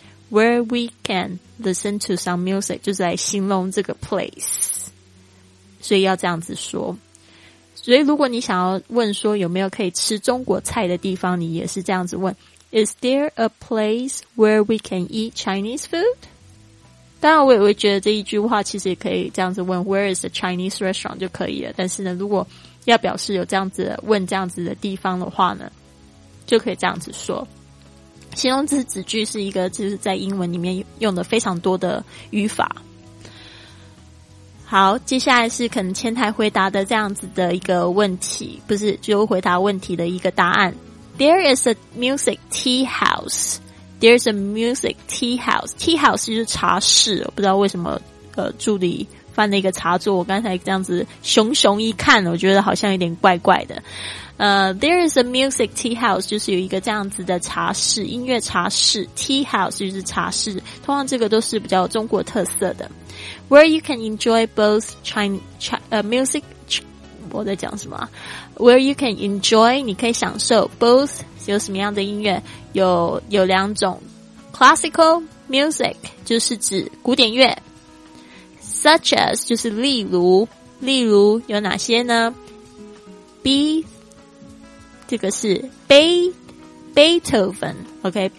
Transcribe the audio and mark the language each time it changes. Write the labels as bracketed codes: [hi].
[zh] Where we can listen to some music 就是来形容这个 place， 所以要这样子说。所以如果你想要问说有没有可以吃中国菜的地方，你也是这样子问 Is there a place where we can eat Chinese food？当然我也会觉得这一句话其实也可以这样子问 Where is the Chinese restaurant 就可以了，但是呢如果要表示有这样子问这样子的地方的话呢，就可以这样子说。形容词子句是一个就是在英文里面用的非常多的语法。好，接下来是可能前台回答的这样子的一个问题，不是就回答问题的一个答案。 [en] There is a music tea house. There's a music tea house. [zh] Tea house 就是茶室，我不知道为什么助理翻了一个茶座，我刚才这样子熊熊一看，我觉得好像有点怪怪的。 There is a music tea house，就是有一个这样子的茶室，音乐茶室 ，tea house 就是茶室，通常这个都是比较中国特色的。 Where you can enjoy both music，我在讲什么、啊、？ Where you can enjoy，你可以享受 both 有什么样的音乐？有两种 ，classical music 就是指古典乐 ，such as 就是例如有哪些呢 ？B 这个是 Beethoven，OK，、okay?